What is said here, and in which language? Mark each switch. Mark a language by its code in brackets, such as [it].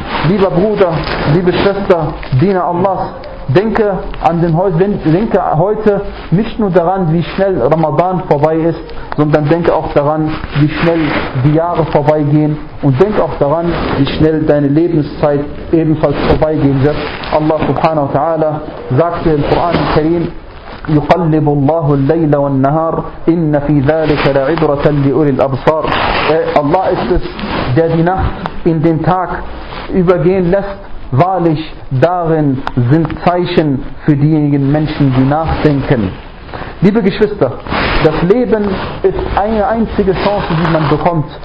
[de] Lieber Bruder, liebe Schwester, Diener Allahs, denke heute nicht nur daran, wie schnell Ramadan vorbei ist, sondern denke auch daran, wie schnell die Jahre vorbeigehen, und denke auch daran, wie schnell deine Lebenszeit ebenfalls vorbeigehen wird. Allah subhanahu wa ta'ala sagte im Koran al-Karim, [ar] يقلب الله الليل والنهار إن في ذلك لعبرة لأولي الأبصار. [de] Allah ist es, der die Nacht in den Tag übergehen lässt. Wahrlich, darin sind Zeichen für diejenigen Menschen, die nachdenken. Liebe Geschwister, das Leben ist eine einzige Chance, die man bekommt.